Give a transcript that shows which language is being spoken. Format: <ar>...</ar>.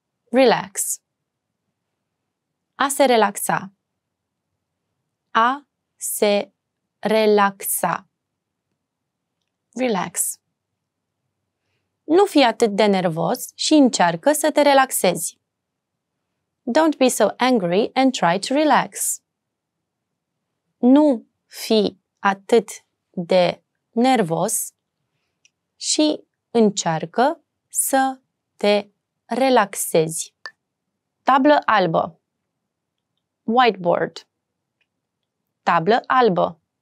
<en>Relax.</en> <ro>A se relaxa. A se relaxa.</ro> <en>Relax.</en> <ro>Nu fi atât de nervos și încearcă să te relaxezi.</ro> <en>Don't be so angry and try to relax.</en> <ro>Nu fi atât de nervos și încearcă să te relaxezi. Tablă albă. Whiteboard. Tablă albă.</ro>